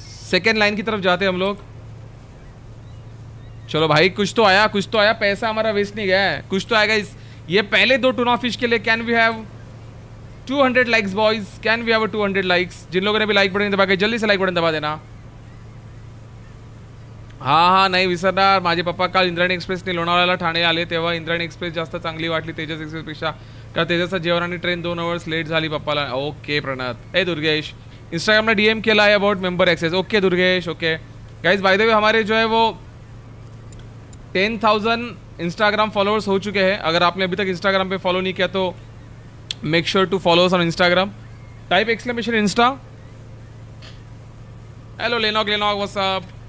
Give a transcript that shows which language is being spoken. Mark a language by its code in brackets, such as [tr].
[hi] Second line की तरफ जाते हैं हम लोग. चलो भाई कुछ तो आया, कुछ तो आया, पैसा हमारा वेस्ट नहीं गया है, कुछ तो आएगा इस. ये पहले दो टूना फिश के लिए [en] Can we have 200 likes boys, can we have 200 likes. [hi] जिन लोगों ने भी लाइक बटन दबाया जल्दी से लाइक बटन दबा देना. [mr] हाँ हाँ नहीं विसरणार, माझे पप्पा काल इंद्रायणी एक्सप्रेस ने लोणावळ्याला ठाणे आले तेव्हा इंद्रायणी एक्सप्रेस जास्त चांगली वाटली तेजस एक्सप्रेसपेक्षा, का तेजसचा जेवण आणि ट्रेन 2 hours लेट झाली पप्पाला. ओके प्रणत. ए दुर्गेश इंस्टाग्रामने डीएम केला आहे about member access. [en] Okay Durgesh okay. [hi] Guys by the way हमारे जो है वो 10,000 इंस्टाग्राम फॉलोअर्स हो चुके हैं. अगर आपने अभी तक इंस्टाग्राम पे फॉलो नहीं किया तो [en] Make sure to follow us on Instagram. [hi] Type exclamation Insta. [en] Hello लेनॉग लेनॉग WhatsApp.